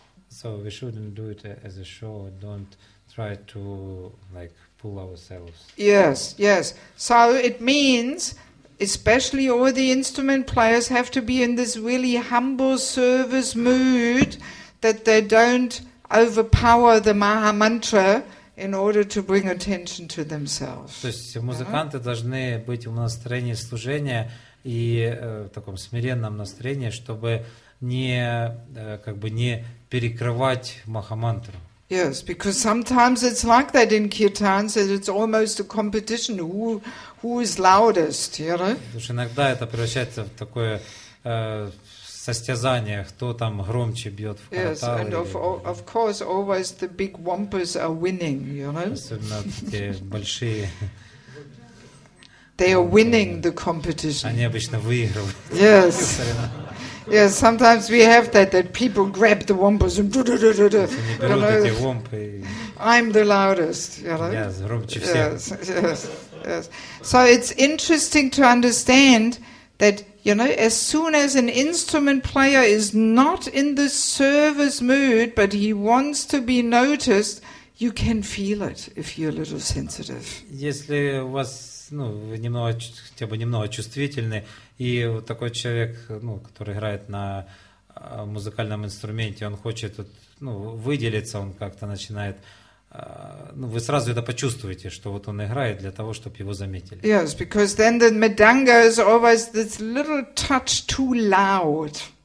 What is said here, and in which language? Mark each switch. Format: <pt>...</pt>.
<en>So we shouldn't do it as a show. Don't try to pull ourselves. Yes, yes. So it means, especially all the instrument players have to be in this really humble service mood, that they don't overpower the Maha Mantra. In order to bring attention to themselves.</en> <ru>То есть музыканты должны быть в настроении служения и в таком смиренном настроении, чтобы не перекрывать Махамантру.</ru> <en>Yes, because sometimes it's like that in kirtans, that it's almost a competition who is loudest, you know?</en> <ru>Потому что иногда это превращается в такое состязания, кто там громче бьет в каратал.</ru> <en>Yes, and of course, always the big wampers are winning, you know?</en> <ru>Особенно те большие.</ru> <en>They are winning the competition.</en> <ru>Они обычно выигрывают.</ru> <en>Yes. Yes, sometimes we have that people grab the wampers and</en> <ru>du-du-du-du-du. Они берут эти вампы.</ru> <en>I'm the loudest, you know?</en> <ru>Yes, громче всех.</ru> <en>Yes, yes, yes. So it's interesting to understand that you know, as soon as an instrument player is not in the service mood, but he wants to be noticed, you can feel it if you're a little sensitive.</en> <ru>Если у вас, вы немного, хотя бы немного чувствительны, и вот такой человек, который играет на музыкальном инструменте, он хочет выделиться, он как-то начинает. Вы сразу это почувствуете, что вот он играет для того, чтобы его заметили.</ru> <en>Yes, because then the madanga is always this little touch too loud.</en>